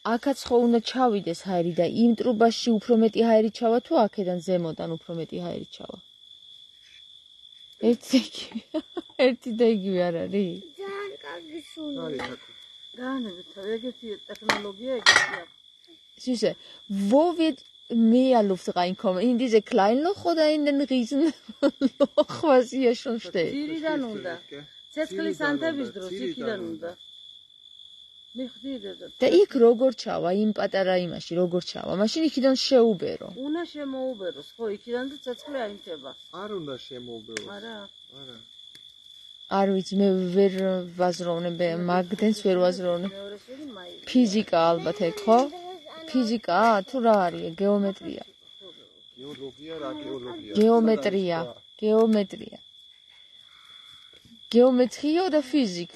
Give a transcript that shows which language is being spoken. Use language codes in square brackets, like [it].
[ka] Აქაც ხო უნდა ჩავიდეს ჰაერი და იმ ტრუბაში უფრო მეტი ჰაერი ჩავა თუ აქედან ზემოდან უფრო მეტი ჰაერი ჩავა. ერთი და იგივე არ არის? ძალიან კარგი სუნი. Არის აქ. განაგებთა, ეგეთი ტექნოლოგია ეგეთია. [de] Süße, wo wird mehr Luft reinkommen? In diese kleinen Loch oder in den riesen Loch, was hier schon steht? [ka] Ციდან უნდა. ცეცხლის ანთების დროს იქიდან უნდა. Და იქ როგორ ჩავა იმ პატარა იმაში როგორ ჩავა მაშინ იქიდან შეუბერო უნდა შემოუბეროს ხო იქიდან და ცეცხლი აინთება არ უნდა შემოუბეროს არა არა არ ვიცი მე ვერ ვაზროვნებ მაგდენს ვერ ვაზროვნებ ფიზიკა ალბათ ეგ ხო ფიზიკა თუ რა არის გეომეტრია გეოლოგია რა გეოლოგია გეომეტრია გეომეტრია [de] Geometrie oder Physik?